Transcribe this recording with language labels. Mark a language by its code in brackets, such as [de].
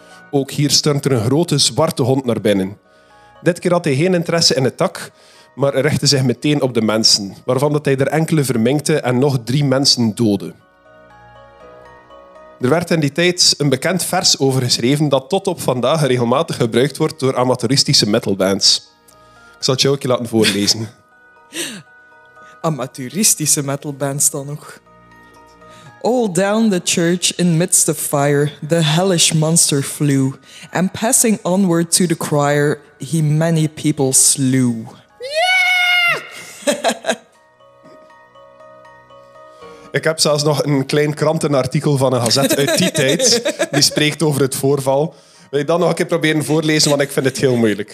[nl] Ook hier stormt er een grote zwarte hond naar binnen. Dit keer had hij geen interesse in het dak, maar richtte zich meteen op de mensen, waarvan dat hij er enkele verminkte en nog 3 mensen doodde. Er werd in die tijd een bekend vers over geschreven dat tot op vandaag regelmatig gebruikt wordt door amateuristische metalbands. Ik zal het jou ook laten voorlezen. Amateuristische metalbands dan nog. [en] All down the church in midst of fire, the hellish monster flew. And passing onward to the choir, he many people slew. Yeah! [nl] Ik heb zelfs nog een klein krantenartikel van een gazet uit die tijd. Die spreekt over het voorval. Wil je dat nog een keer proberen voorlezen, want ik vind het heel moeilijk.